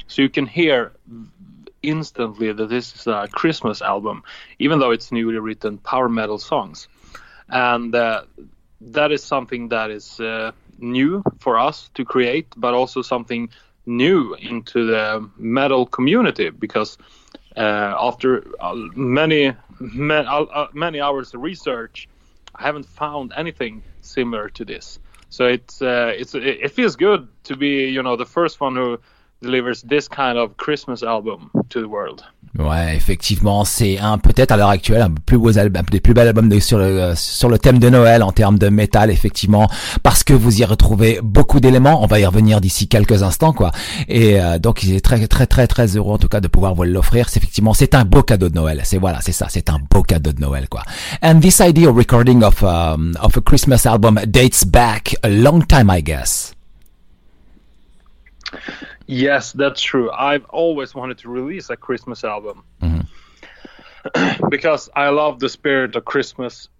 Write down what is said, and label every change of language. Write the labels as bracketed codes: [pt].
[en] so you can hear instantly that this is a Christmas album, even though it's newly written power metal songs, and that is something that is new for us to create, but also something new into the metal community, because after many hours of research, I haven't found anything similar to this. So it feels good to be, you know, the first one who delivers this kind of Christmas album to the world. [fr] Ouais, effectivement, c'est un peut-être à l'heure actuelle un plus beau album, des plus belles albums sur le thème de Noël en termes de métal, effectivement, parce que vous y retrouvez beaucoup d'éléments. On va y revenir d'ici quelques instants, quoi. Et donc, il est très très très très heureux en tout cas de pouvoir vous l'offrir. C'est effectivement, c'est un beau cadeau de Noël. C'est voilà, c'est ça, c'est un beau cadeau de Noël, quoi. [en] And this idea of recording of a Christmas album dates back a long time, I guess. Yes, that's true. I've always wanted to release a Christmas album, mm-hmm. because I love the spirit of Christmas.